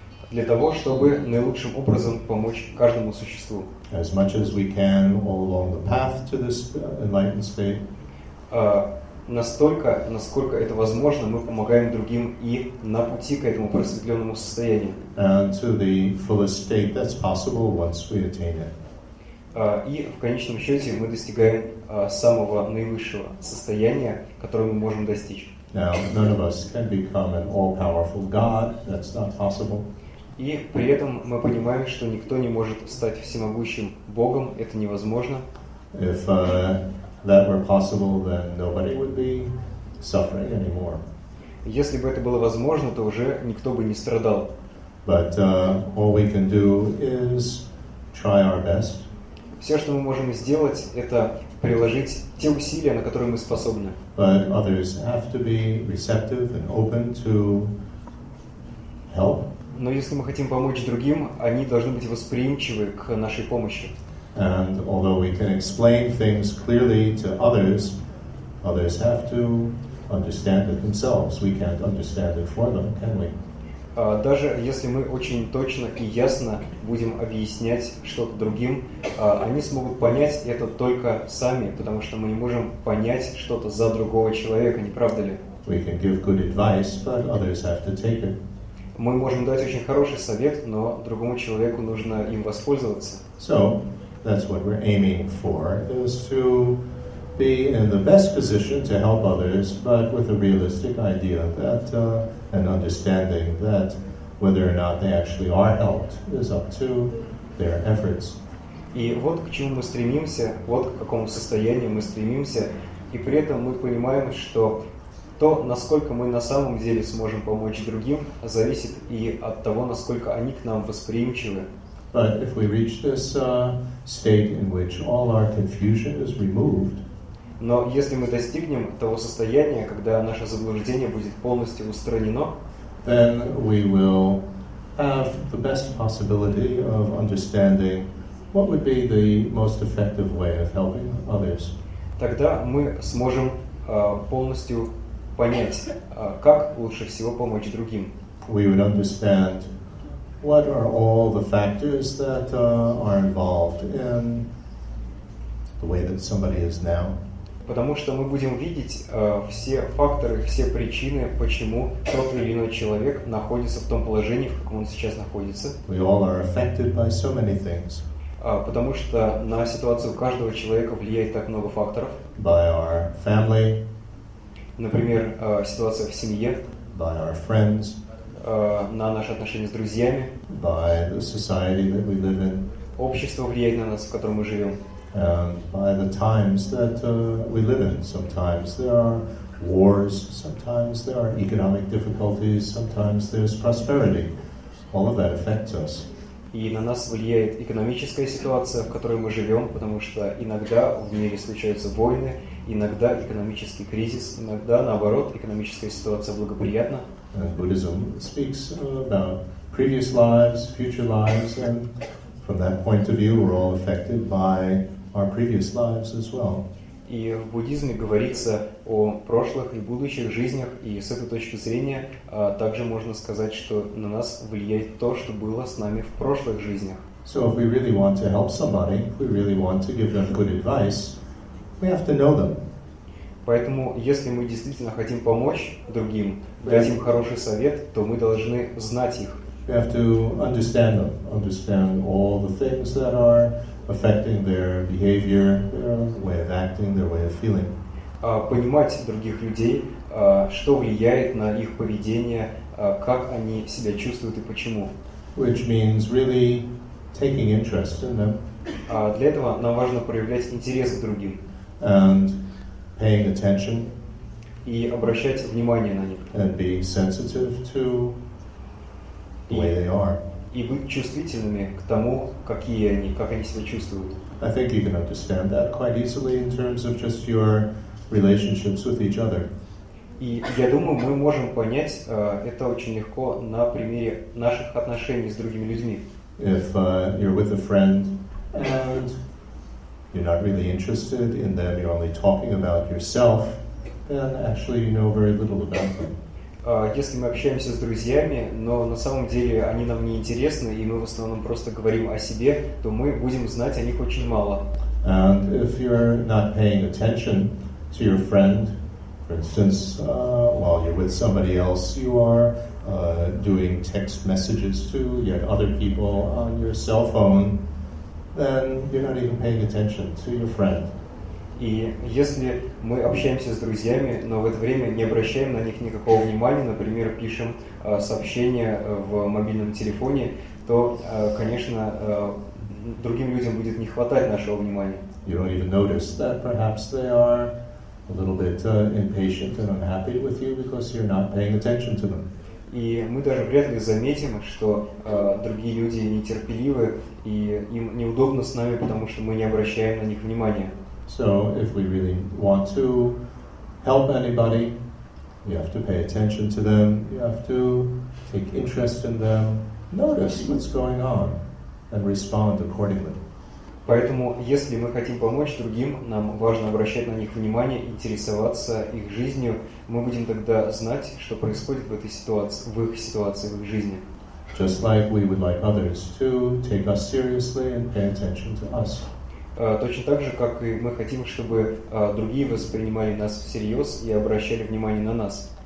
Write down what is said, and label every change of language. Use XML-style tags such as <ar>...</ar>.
<ru>Для того, чтобы наилучшим образом помочь каждому существу.</ru> <en>As much as we can all along the path to this enlightened state.</en> <ru>Настолько, насколько это возможно, мы помогаем другим и на пути к этому просветленному состоянию.</ru> <en>And to the fullest state that's possible once we attain it.</en> <ru>И в конечном счете мы достигаем самого наивысшего состояния, которое мы можем достичь.</ru> <en>Now, none of us can become an all-powerful God. That's not possible.</en> <ru>И при этом мы понимаем, что никто не может стать всемогущим Богом. Это невозможно.</ru> <en>If that were possible, then nobody would be suffering anymore.</en> <ru>Если бы это было возможно, то уже никто бы не страдал.</ru> <en>But all we can do is try our best.</en> <ru>Все, что мы можем сделать, это приложить те усилия, на которые мы способны.</ru> <en>But others have to be receptive and open to help.</en> <ru>Но если мы хотим помочь другим, они должны быть восприимчивы к нашей помощи.</ru> <en>And although we can explain things clearly to others, others have to understand it themselves. We can't understand it for them, can we?</en> <ru>Даже если мы очень точно и ясно будем объяснять что-то другим, они смогут понять это только сами, потому что мы не можем понять что-то за другого человека, не правда ли?</ru> <en>We can give good advice, but others have to take it.</en> <ru>Мы можем дать очень хороший совет, но другому человеку нужно им воспользоваться.</ru> <en>So, that's what we're aiming for, is to be in the best position to help others, but with a realistic idea that an understanding that whether or not they actually are helped is up to their efforts.</en> <ru>И вот к чему мы стремимся, вот к какому состоянию мы стремимся, и при этом мы понимаем, что то, насколько мы на самом деле сможем помочь другим, зависит и от того, насколько они к нам восприимчивы.</ru> <en>But if we reach this state in which all our confusion is removed,</en> <ru>но если мы достигнем того состояния, когда наше заблуждение будет полностью устранено,</ru> <en>then we will have the best possibility of understanding what would be the most effective way of helping others.</en> <ru>Тогда мы сможем полностью понять, как лучше всего помочь другим.</ru> <en>We would understand what are all the factors that are involved in the way that somebody is now.</en> <ru>Потому что мы будем видеть все факторы, все причины, почему тот или иной человек находится в том положении, в каком он сейчас находится.</ru> <en>We all are affected by so many things.</en> <ru>Потому что на ситуацию каждого человека влияет так много факторов.</ru> <en>By our family.</en> <ru>Например, ситуация в семье.</ru> <en>By our friends.</en> <ru>На наши отношения с друзьями.</ru> <en>By the society that we live in.</en> <ru>Общество влияет на нас, в котором мы живем.</ru> <en>And by the times that we live in, sometimes there are wars, sometimes there are economic difficulties, sometimes there's prosperity. All of that affects us.</en> <ru>И на нас влияет экономическая ситуация, в которой мы живем, потому что иногда в мире случаются войны, иногда экономический кризис, иногда, наоборот, экономическая ситуация благоприятна.</ru> <en>And Buddhism speaks about previous lives, future lives, and from that point of view, we're all affected by our previous lives as well.</en> <ru>И в буддизме говорится о прошлых и будущих жизнях, и с этой точки зрения также можно сказать, что на нас влияет то, что было с нами в прошлых жизнях.</ru> <en>So if we really want to help somebody, if we really want to give them good advice, we have to know them.</en> <ru>Поэтому, если мы действительно хотим помочь другим, дать им хороший совет, то мы должны знать их.</ru> <en>We have to understand them, understand all the things that are affecting their behavior, their way of acting, their way of feeling.</en> <ru>Понимать других людей, что влияет на их поведение, как они себя чувствуют и почему.</ru> <en>Which means really taking interest in them.</en> <ru>Для этого нам важно проявлять интерес к другим.</ru> <en>And paying attention.</en> <ru>И обращать внимание на них.</ru> <en>And being sensitive to the way they are.</en> <ru>И быть чувствительными к тому, какие они, как они себя чувствуют.</ru> <en>I think you can understand that quite easily in terms of just your relationships with each other.</en> <ru>И я думаю, мы можем понять это очень легко на примере наших отношений с другими людьми.</ru> <en>If you're with a friend and you're not really interested in them, you're only talking about yourself, then actually you know very little about them.</en> <ru>Если мы общаемся с друзьями, но на самом деле они нам не интересны, и мы в основном просто говорим о себе, то мы будем знать о них очень мало.</ru> <en>And if you're not paying attention to your friend, for instance, while you're with somebody else, you are doing text messages to yet other people on your cell phone, then you're not even paying attention to your friend.</en> <ru>И если мы общаемся с друзьями, но в это время не обращаем на них никакого внимания, например, пишем сообщения в мобильном телефоне, то, конечно, другим людям будет не хватать нашего внимания.</ru> <en>You don't even notice that perhaps they are a little bit impatient and unhappy with you because you're not paying attention to them.</en> <ru>И мы даже вряд ли заметим, что другие люди нетерпеливы и им неудобно с нами, потому что мы не обращаем на них внимания.</ru> <en>So if we really want to help anybody, you have to pay attention to them, you have to take interest in them, notice what's going on, and respond accordingly.</en> <ru>Поэтому, если мы хотим помочь другим, нам важно обращать на них внимание, интересоваться их жизнью. Мы будем тогда знать, что происходит в этой ситуации, в их ситуации, в их жизни.</ru> <en>Just like we would like others to take us seriously and pay attention to us.</en> <ru>Точно так же, как и мы хотим, чтобы другие воспринимали нас всерьез и обращали внимание на нас.</ru>